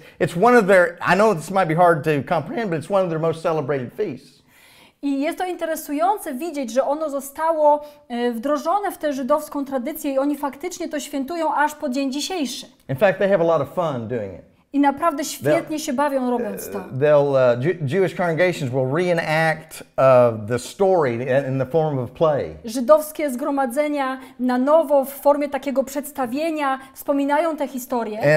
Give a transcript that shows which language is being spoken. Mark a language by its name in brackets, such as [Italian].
[English] It's one of their, I know this might be hard to comprehend, but it's one of their most celebrated feasts. [Polish] I jest to interesujące widzieć, że ono zostało wdrożone w tę żydowską tradycję i oni faktycznie to świętują aż po dzień dzisiejszy. [English] In fact, they have a lot of fun doing it. [Polish] I naprawdę świetnie [English] they'll, [Polish] się bawią robiąc to. [English] Jewish congregations will reenact the story in the form of play. [Polish] Żydowskie zgromadzenia na nowo w formie takiego przedstawienia wspominają tę historię.